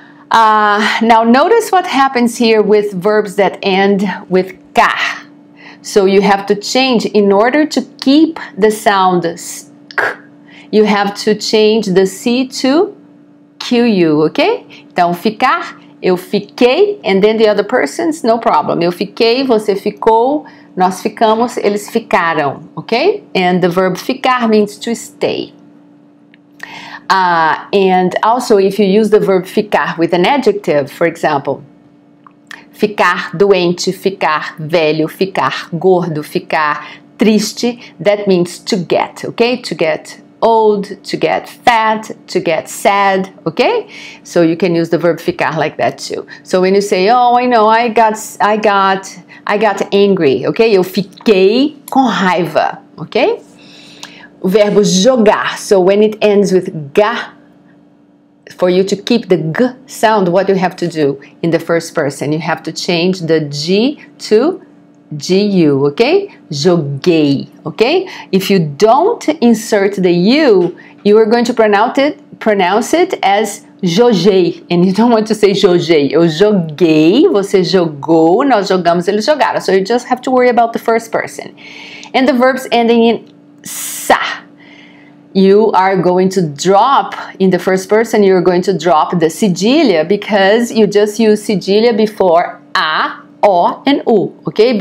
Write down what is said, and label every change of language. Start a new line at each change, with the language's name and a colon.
English: Now, notice what happens here with verbs that end with ca. So you have to change, in order to keep the sound k, you have to change the C to QU, okay?
Portuguese: Então, ficar, eu fiquei,
English: and then the other person's, no problem.
Portuguese: Eu fiquei, você ficou, nós ficamos, eles ficaram, okay?
English: And the verb ficar means to stay. And also, if you use the verb ficar with an adjective, for example,
Portuguese: ficar doente, ficar velho, ficar gordo, ficar triste,
English: that means to get, okay? To get old, to get fat, to get sad, okay? So you can use the verb ficar like that too. So when you say, oh, I know, I got angry, okay?
Portuguese: Eu fiquei com raiva, okay? O verbo jogar,
English: so when it ends with ga, for you to keep the G sound, what you have to do in the first person? You have to change the G to G-U, okay? Joguei, okay? If you don't insert the U, you are going to pronounce it as joguei. And you don't want to say joguei.
Portuguese: Eu joguei, você jogou, nós jogamos, eles jogaram.
English: So you just have to worry about the first person. And the verbs ending in sa. You are going to drop, in the first person, you're going to drop the cedilha because you just use cedilha before a, o, and u, okay?